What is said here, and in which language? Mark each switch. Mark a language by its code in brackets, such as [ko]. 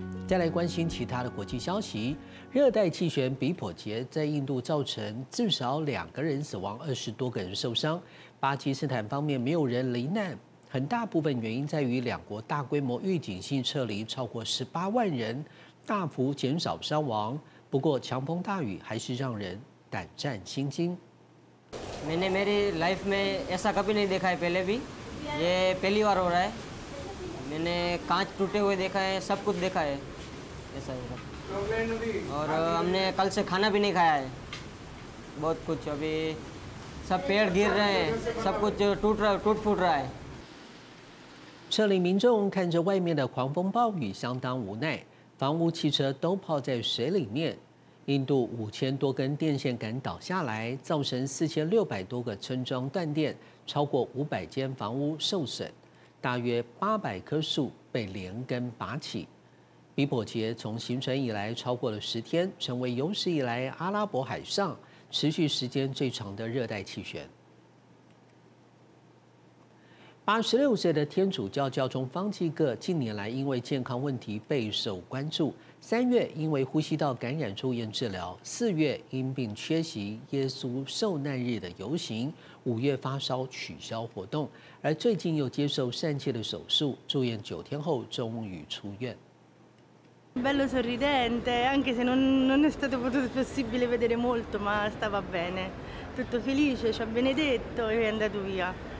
[zh] 再来关心其他的国际消息，热带气旋比普杰在印度造成至少两个人死亡，20多个人受伤，巴基斯坦方面没有人罹难，很大部分原因在于两国大规模预警性撤离超过18万人，大幅减少伤亡，不过强风大雨还是让人胆战心惊。 [hi] मैंने मेरे लाइफ में ऐसा कभी नहीं देखा है, पहले भी ये पहली बार हो रहा है, मैंने कांच टूटे हुए देखा है, सब कुछ देखा है, ऐसा ही रहा, और हमने कल से खाना भी नहीं खाया है, बहुत कुछ अभी सब पेड़ गिर रहे हैं, सब कुछ टूट फूट रहा है。 [zh] 撤离民众看着外面的狂风暴雨，相当无奈。房屋汽车都泡在水里面，印度5000多根电线杆倒下来，造成4600多个村庄断电，超过500间房屋受损，大约800棵树被连根拔起。比普杰从形成以来超过了10天，成为有史以来阿拉伯海上持续时间最长的热带气旋。 86岁的天主教教宗方济各近年来因为健康问题备受关注。 3月因为呼吸道感染住院治疗，4月因病缺席耶稣受难日的游行，5月发烧取消活动，而最近又接受疝气的手术，住院9天后终于出院。 [it] Bello sorridente, anche se non è stato potuto possibile vedere molto, ma stava bene, tutto felice, ci ha benedetto e è andato via.